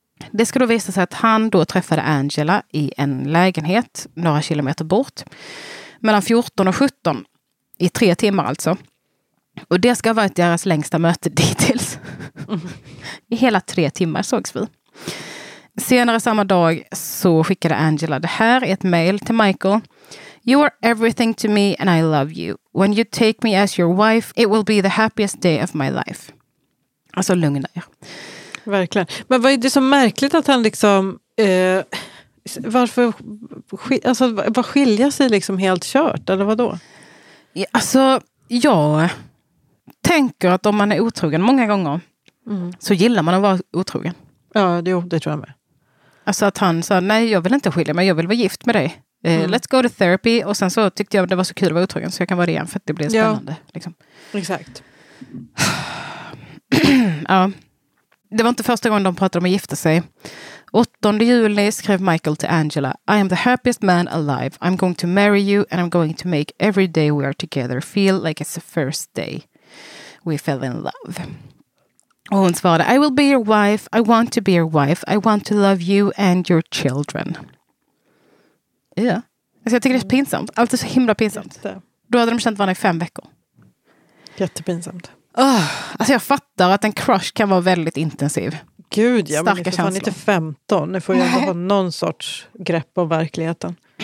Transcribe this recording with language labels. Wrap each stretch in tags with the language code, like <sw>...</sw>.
<sv>Det ska då visa sig att han då träffade Angela i en lägenhet några kilometer bort. Mellan 14 och 17. i 3 timmar alltså. Och det ska ha varit deras längsta möte dittills. I hela 3 timmar sågs vi. Senare samma dag så skickade Angela det här i ett mejl till Michael.</sv> <en>You are everything to me and I love you. When you take me as your wife, it will be the happiest day of my life.</en> <sv>Alltså lugna er. Verkligen. Men vad är det så märkligt att han liksom... varför alltså, vad skiljer sig liksom helt kört? Eller vadå? Alltså, jag tänker att om man är otrogen många gånger så gillar man att vara otrogen. Ja, det tror jag med. Alltså att han sa, nej jag vill inte skilja mig, jag vill vara gift med dig.</sv> <en>Let's go to therapy.</en> <sv>Och sen så tyckte jag att det var så kul att vara otrogen så jag kan vara det igen för att det blir spännande. Ja, liksom. Exakt. Ja. Det var inte första gången de pratade om att gifta sig. 8 juli skrev Michael till Angela,</sv> <en>I am the happiest man alive. I'm going to marry you and I'm going to make every day we are together feel like it's the first day we fell in love.</en> <sv>Och hon svarade,</sv> <en>I will be your wife. I want to be your wife. I want to love you and your children.</en> <sv>Ja.</sv> <en>Yeah.</en> <sv>Alltså jag tycker det är pinsamt. Allt är så himla pinsamt. Då hade de känt varandra i 5 veckor. Jättepinsamt. Alltså jag fattar att en crush kan vara väldigt intensiv. Gud, jag är inte 15. Nu får jag ha någon sorts grepp om verkligheten.</sv>